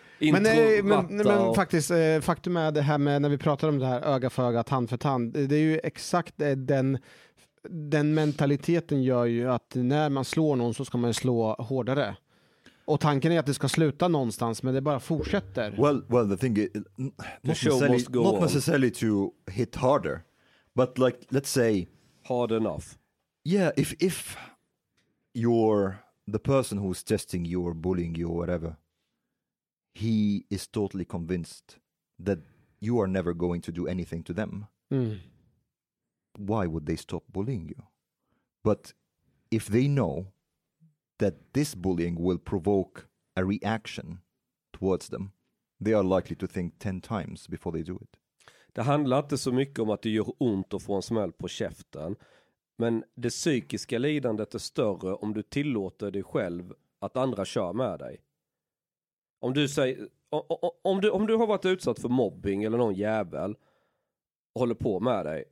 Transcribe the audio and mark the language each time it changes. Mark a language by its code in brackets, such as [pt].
[sv] Men faktiskt, faktum är det här med när vi pratar om det här öga för öga, tand för tand. Det är ju exakt den mentaliteten gör ju att när man slår någon så ska man slå hårdare. Och tanken är att det ska sluta någonstans, men det bara fortsätter. [en] Well, the thing is, not necessarily to hit harder, but like, let's say... Hard enough. Yeah, if you're the person who's testing you or bullying you or whatever... He is totally convinced that you are never going to do anything to them. Mm. Why would they stop bullying you? But if they know that this bullying will provoke a reaction towards them, they are likely to think 10 times before they do it. [sv] Det handlar inte så mycket om att det gör ont att få en smäll på käften. Men det psykiska lidandet är större om du tillåter dig själv att andra kör med dig. Om du säger, om du har varit utsatt för mobbing eller någon jävel och håller på med dig.